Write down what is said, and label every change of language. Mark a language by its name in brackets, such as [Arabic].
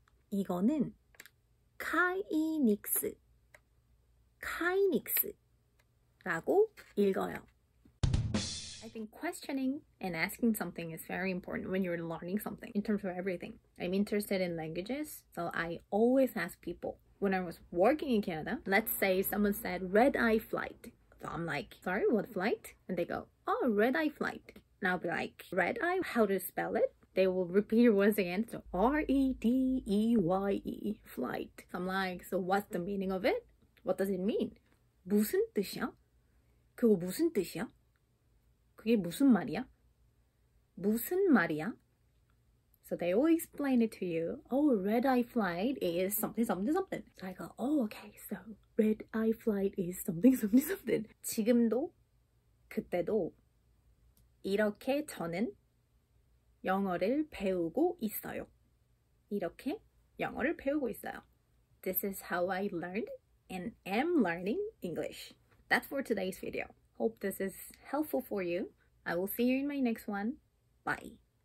[Korean] 이거는 카이닉스, 카이닉스라고 읽어요. [English] I think questioning and asking something is very important when you're learning something in terms of everything. I'm interested in languages, so I always ask people. When I was working in Canada, let's say someone said red-eye flight. So I'm like, sorry, what flight? And they go, oh, red-eye flight. And I'll be like, red-eye, how to spell it? They will repeat it once again. So R-E-D-E-Y-E, flight. So I'm like, so what's the meaning of it? What does it mean? [Korean] 무슨 뜻이야? 그거 무슨 뜻이야? 그게 무슨 말이야? 무슨 말이야? [English] So they will explain it to you. Oh, red-eye flight is something, something, something. So I go, oh, okay, so red-eye flight is something, something, something. [Korean] 지금도, 그때도 이렇게 저는 영어를 배우고 있어요. 이렇게 영어를 배우고 있어요. [English] This is how I learned and am learning English. That's for today's video. Hope this is helpful for you. I will see you in my next one. Bye.